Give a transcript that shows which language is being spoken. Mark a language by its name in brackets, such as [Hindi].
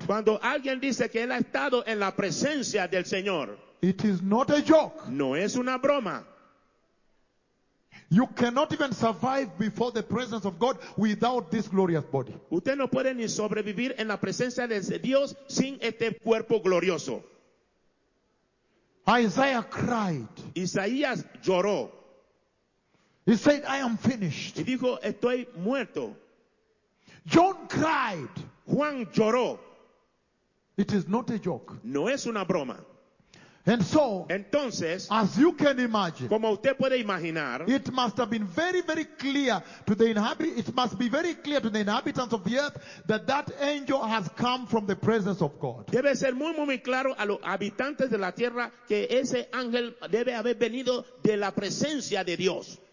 [Spanish] Cuando alguien dice que él ha estado en la presencia del Señor, [English] it is not a joke. [Spanish] No es una broma. [English] You cannot even survive before the presence of God without this glorious body. [Spanish] Usted no puede ni sobrevivir en la presencia de Dios sin este cuerpo glorioso. [English] Isaiah cried. [Spanish] Isaías lloró. [English] He said, "I am finished." [Spanish] Y dijo, "Estoy muerto." [English] John cried. [Spanish] Juan lloró. [English] It is not a joke. [Spanish] No es una broma. [English] And so, [Spanish] entonces, [English] as you can imagine, [Spanish] como usted puede imaginar, [English] it must have been very, very clear to the inhabitants of the earth that that angel has come from the presence of God. [Spanish] Debe ser muy, muy claro a los habitantes de la tierra que ese ángel debe haber venido de la presencia de Dios.